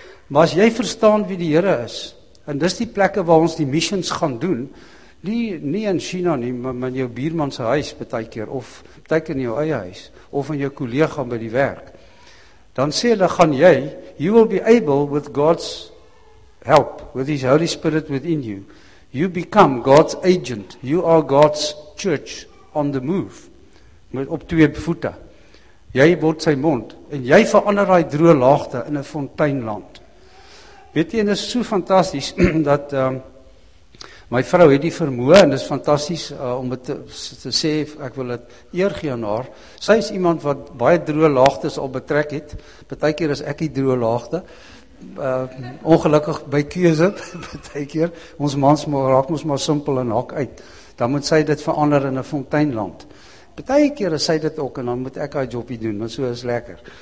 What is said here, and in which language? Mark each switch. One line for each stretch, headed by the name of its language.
Afrikaans: Maar as jy verstaan wie die Here is, en dis die plekke waar ons die missions gaan doen, nie in China nie, maar in jou buurman se huis baie keer, of baie keer in jou eie huis, of in jou kollega by die werk, dan sê hulle, gaan jy,
English: you will be able with God's help, with His Holy Spirit within you. You become God's agent. You are God's church on the move.
Afrikaans: Met op twee voete. Jy word sy mond. En jy verander die droë laagte in 'n fonteinland. Weet jy, en is so fantasties, dat my vrou het die vermoë, en is fantasties om het te sê, ek wil het eer gee aan haar. Sy is iemand wat baie droë laagtes al betrek het. Baie keer is ek die droë laagte. Ongelukkig by keuse, baie keer, ons mans raak ons maar simpel en hak uit, dan moet sy dit verander in 'n fonteinland. Baie keer is sy dit ook, en dan moet ek haar jobie doen, want so is lekker.